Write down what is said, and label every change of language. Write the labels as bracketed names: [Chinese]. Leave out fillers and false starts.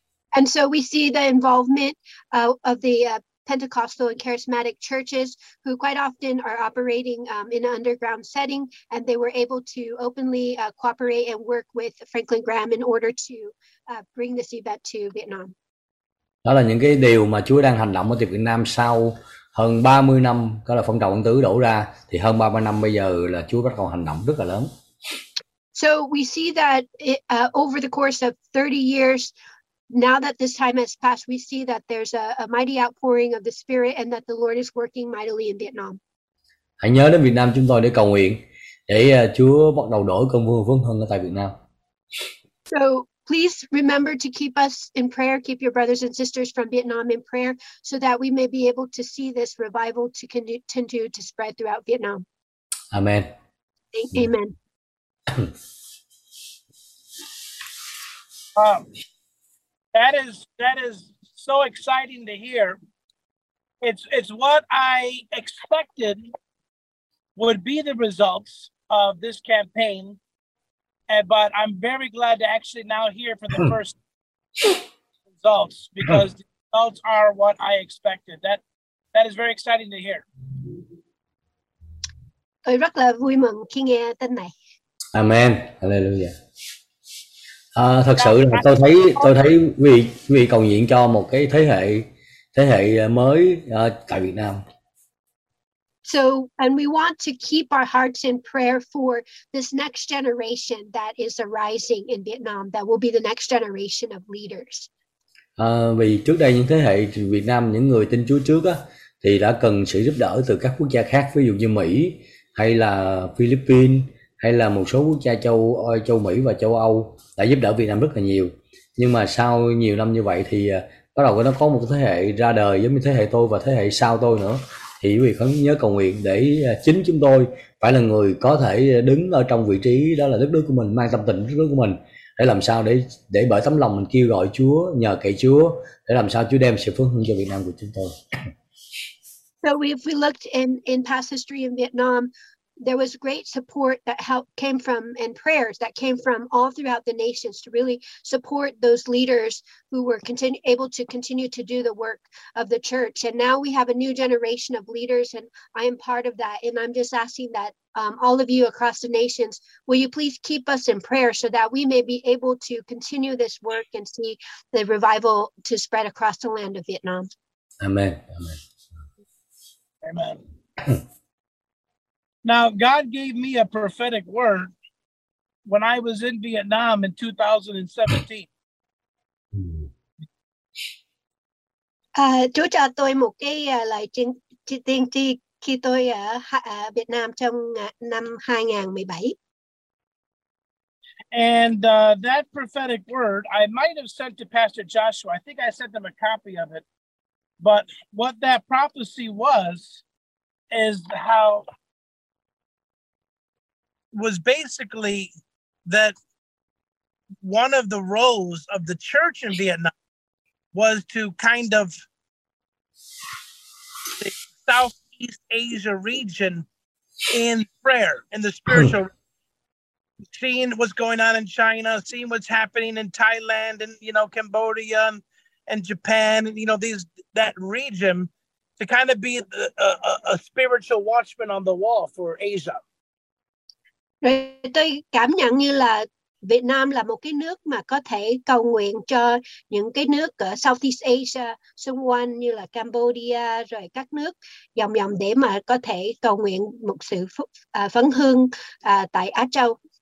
[English] And so we see the involvement of the Pentecostal and charismatic churches who quite often are operating in an underground setting and they were able to openly cooperate and work with Franklin Graham in order to bring this event to Vietnam. [Vietnamese] Đó là những cái điều mà Chúa đang hành động ở Việt Nam sau hơn 30 năm, đó là phong trào ân tứ đổ ra, thì hơn 30 năm bây giờ là Chúa bắt đầu hành động rất là lớn. [English] So we see that it, over the course of 30 years, now that this time has passed, we see that there's a mighty outpouring of the Spirit and that the Lord is working mightily in Vietnam. [Vietnamese] Hãy nhớ đến Việt Nam chúng tôi để cầu nguyện, để Chúa bắt đầu đổi công vương vương hơn ở tại Việt Nam. [English] So please remember to keep us in prayer, keep your brothers and sisters from Vietnam in prayer so that we may be able to see this revival to continue to spread throughout Vietnam. Amen. Amen. That is so exciting to hear. it's what I expected would be the results of this campaign, but I'm very glad to actually now hear for the first results, because the results are what I expected. That is very exciting to hear. [Vietnamese] Tôi rất là vui mừng khi nghe tin này. [English] Amen. Hallelujah. [Vietnamese] Thật sự là tôi thấy quý vị cầu nguyện cho một cái thế hệ mới tại Việt Nam. [English] So, and we want to keep our hearts in prayer for this next generation that is arising in Vietnam, that will be the next generation of leaders. [Vietnamese] Vì trước đây những thế hệ Việt Nam, những người tin Chúa trước á, thì đã cần sự giúp đỡ từ các quốc gia khác, ví dụ như Mỹ hay là Philippines hay là một số quốc gia châu Mỹ và châu Âu đã giúp đỡ Việt Nam rất là nhiều. Nhưng mà sau nhiều năm như vậy thì bắt đầu nó có một thế hệ ra đời giống như thế hệ tôi và thế hệ sau tôi nữa. Thì quý vị khấn nhớ cầu nguyện để chính chúng tôi phải là người có thể đứng ở trong vị trí đó là đất nước của mình, mang tâm tình đất nước của mình, để làm sao để bởi tấm lòng mình kêu gọi Chúa, nhờ cậy Chúa, để làm sao Chúa đem sự phước hưng cho Việt Nam của chúng tôi. [English] So if we looked in past history in Vietnam, there was great support that helped came from and prayers that came from all throughout the nations to really support those leaders who were able to continue to do the work of the church. And now we have a new generation of leaders, and I am part of that. And I'm just asking that all of you across the nations, will you please keep us in prayer so that we may be able to continue this work and see the revival to spread across the land of Vietnam. Amen. Amen. Amen. Now, God gave me a prophetic word when I was in Vietnam in 2017. [Vietnamese] Chúa cho tôi một cái lời tiên tri khi tôi ở Việt Nam trong năm 2017. [English] And that prophetic word, I might have sent to Pastor Joshua. I think I sent him a copy of it. But what that prophecy was is how... was basically that one of the roles of the church in Vietnam was to kind of the Southeast Asia region in prayer, in the spiritual, seeing what's going on in China, seeing what's happening in Thailand and, you know, Cambodia and Japan, and, you know, these, that region, to kind of be a spiritual watchman on the wall for Asia. [Vietnamese] Rồi tôi cảm nhận như là Việt Nam là một cái nước mà có thể cầu nguyện cho những cái nước ở Southeast Asia xung quanh như là Cambodia, rồi các nước dòng dòng để mà có thể cầu nguyện một sự phấn hương tại Á Châu.